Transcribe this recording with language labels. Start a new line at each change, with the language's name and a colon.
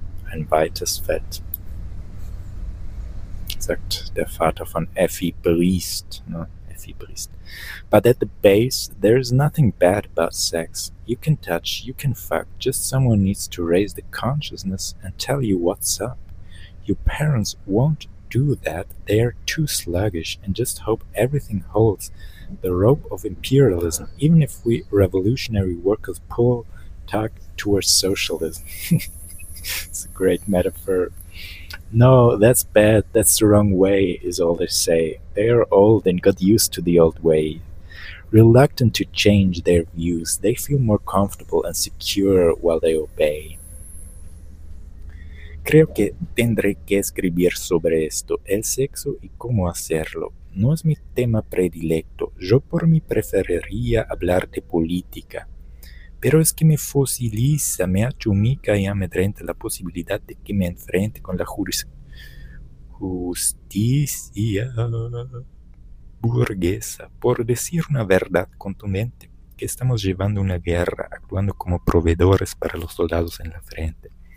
German: Ein weites Feld, sagt der Vater von Effie Briest, ne? Effie Briest.
English: But at the base, there is nothing bad about sex. You can touch, you can fuck, just someone needs to raise the consciousness and tell you what's up. Your parents won't do that, they're too sluggish and just hope everything holds. The rope of imperialism, even if we revolutionary workers pull tug towards socialism. It's a great metaphor. No, that's bad, that's the wrong way, is all they say. They are old and got used to the old way. Reluctant to change their views, they feel more comfortable and secure while they obey.
Spanish: Creo que tendré que escribir sobre esto, el sexo y cómo hacerlo. No es mi tema predilecto, yo por mí preferiría hablar de política. Pero es que me fosiliza, me achumica y amedrenta la posibilidad de que me enfrente con la justicia burguesa por decir una verdad contundente, que estamos llevando una guerra, actuando como proveedores para los soldados en la frente.